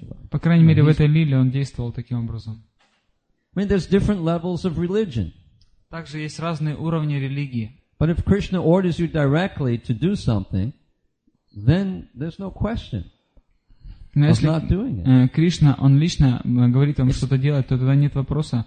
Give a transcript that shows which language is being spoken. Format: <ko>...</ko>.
<ru>По крайней мере, в этой лиле он действовал таким образом.</ru> <en>I mean, there's different levels of religion.</en> <ru>Также есть разные уровни религии.</ru> <en>But if Krishna orders you directly to do something, then there's no question.</en> <ru>Но если</ru> <en>not doing it.</en> <ru>Кришна, он лично говорит вам что-то делать, то тогда нет вопроса,</ru>